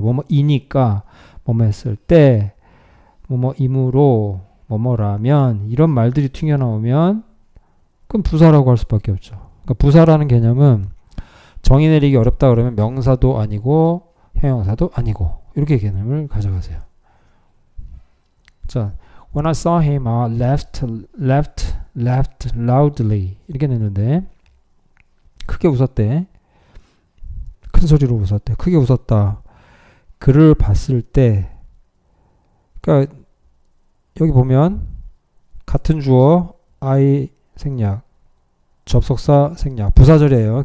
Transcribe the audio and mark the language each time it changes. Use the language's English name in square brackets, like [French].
[Korean] 뭐뭐이니까, 뭐뭐했을 때, 뭐뭐이므로, 뭐뭐라면 이런 말들이 튕겨나오면 그건 부사라고 할 수밖에 없죠. 그러니까 부사라는 개념은 정의 내리기 어렵다 그러면 명사도 아니고 형용사도 아니고 이렇게 개념을 가져가세요. [English] 자, When I saw him, I laughed loudly. [Korean] 이렇게 했는데 크게 웃었대. 큰 소리로 웃었대. 크게 웃었다. 그를 봤을 때, 그러니까 여기 보면 같은 주어 I 생략, 접속사 생략, 부사절이에요.